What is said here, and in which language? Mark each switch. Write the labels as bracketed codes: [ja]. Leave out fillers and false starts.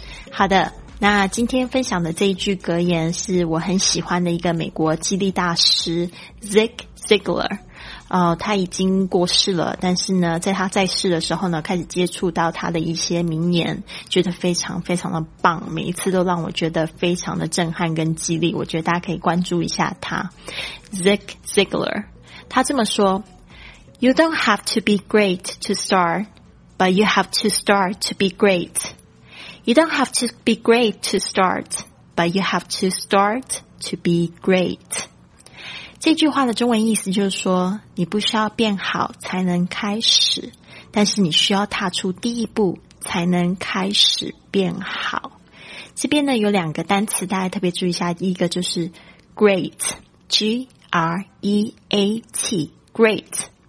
[zh] 好的，那今天分享的这一句格言是我很喜欢的一个美国激励大师 Zig Ziglar。他已经过世了，但是呢在他在世的时候呢开始接触到他的一些名言，觉得非常非常的棒，每一次都让我觉得非常的震撼跟激励，我觉得大家可以关注一下他。 [en] Zig Ziglar， [zh] 他这么说， [en] You don't have to be great to start, but you have to start to be great. You don't have to be great to start, but you have to start to be great. [zh] 这句话的中文意思就是说，你不需要变好才能开始，但是你需要踏出第一步才能开始变好。这边呢有两个单词大家特别注意一下，一个就是 great, G-R-E-A-T, great.